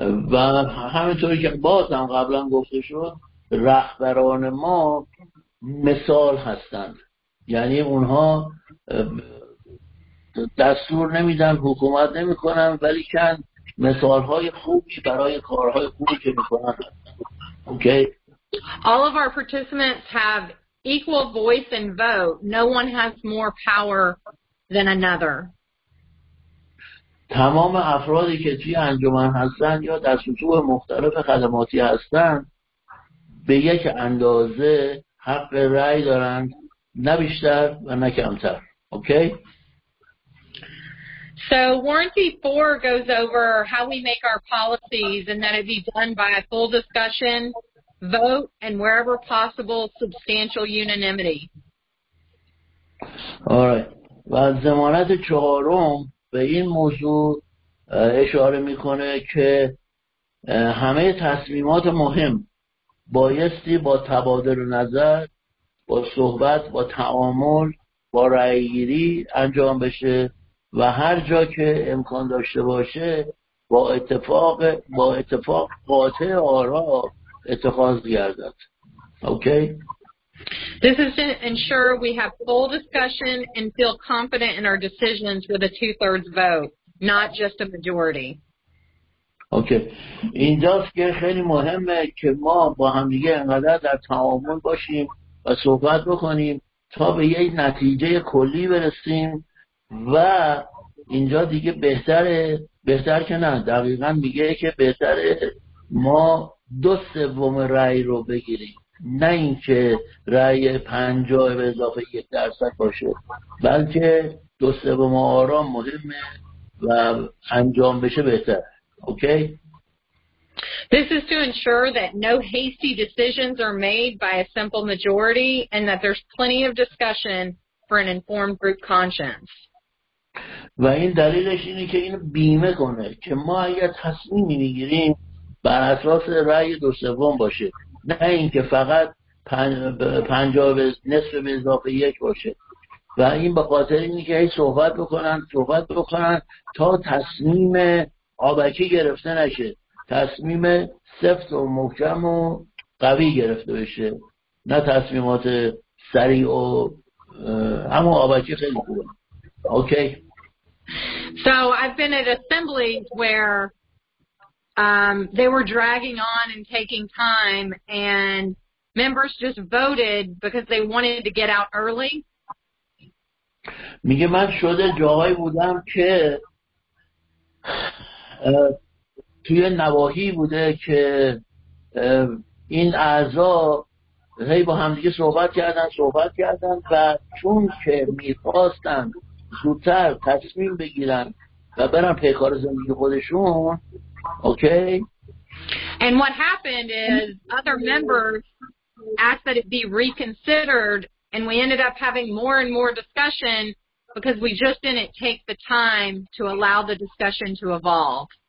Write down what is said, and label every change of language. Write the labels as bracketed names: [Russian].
[Persian] و همونطور که باز هم قبلا گفته شد رهبران ما مثال هستند، یعنی اونها دستور نمیدن، حکومت نمی کنن، ولی کن مثال های خوبی برای کارهای خوبی که می کنن. [English] Okay. All of our participants have equal voice and vote. No one has more power than another. [Persian] تمام افرادی که توی انجمن هستن یا در سطوح مختلف خدماتی هستن به یک اندازه حق رأی دارند، نه بیشتر و نه کمتر. [English] Okay? So warranty 4 goes over how we make our policies and that it be done by a full discussion, vote and wherever possible substantial unanimity. All right. [Persian] و ضمانت 4 به این موضوع اشاره میکنه که همه تصمیمات مهم بایستی با تبادل نظر، با صحبت، با تعامل، با رأی‌گیری انجام بشه و هر جا که امکان داشته باشه با اتفاق قاطع آرا اتخاذ گردد. [English] Okay? This is to ensure we have full discussion and feel confident in our decisions with a two-thirds vote, not just a majority. Okay. [Persian] اینجاست که خیلی مهمه که ما با همدیگه انقدر در تعامل باشیم و صحبت بکنیم تا به یک نتیجه کلی برسیم و اینجا دیگه بهتر که نه، دقیقا میگه که بهتره ما دو سوم رأی رو بگیریم، نه اینکه رأی 50 به اضافه 1% باشه، بلکه دو سوم آرا مهمه و انجام بشه بهتر. [English] Okay. This is to ensure that no hasty decisions are made by a simple majority and that there's plenty of discussion for an informed group conscience. [Persian] و این دلیلش اینه که این بیمه کنه که ما اگر تصمیمی میگیریم بر اساس رأی دو سوم باشه، نه اینکه فقط 50 به نصف اضافه 1 باشه. و این به خاطر اینه که صحبت بکنن تا تصمیم آبکی گرفته نشه، تصمیم سفت و محکم و قوی گرفته بشه، نه تصمیمات سریع و هم آبکی خیلی خوبه. [English] Okay. So I've been at assemblies where they were dragging on and taking time and members just voted because they wanted to get out early. [Persian] میگه من شده جاهایی بودم که توی نواحی بوده که این اعضا هی با همدیگه صحبت کردن و چون که میخواستن زودتر تصمیم بگیرن و برن پیکار زندگی خودشون. [English] Okay. And what happened is other members asked that it be reconsidered and we ended up having more and more discussion because we just didn't take the time to allow the discussion to evolve.